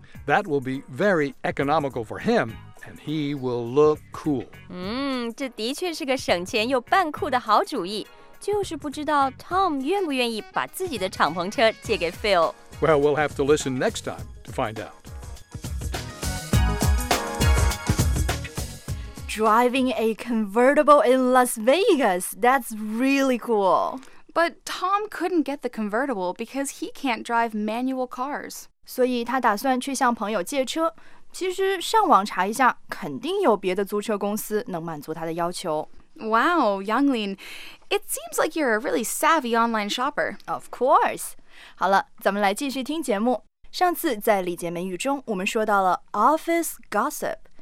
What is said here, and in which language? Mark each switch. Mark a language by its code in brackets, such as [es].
[en] That will be very economical for him, and he will look cool. [zh] 这的确是个省钱又办酷的好主意。就是不知道 Tom 愿不愿意把自己的敞篷车借给 Phil。 [en] Well, we'll have to listen next time to find out. Driving a convertible in Las Vegas, that's really cool. But Tom couldn't get the convertible because he can't drive manual cars. [zh] 所以他打算去向朋友借车。其实上网查一下，肯定有别的租车公司能满足他的要求。 [en] Wow, Yanglin, it seems like you're a really savvy online shopper. Of course. [zh] 好了，咱们来继续听节目。上次在礼节美语中，我们说到了 office gossip。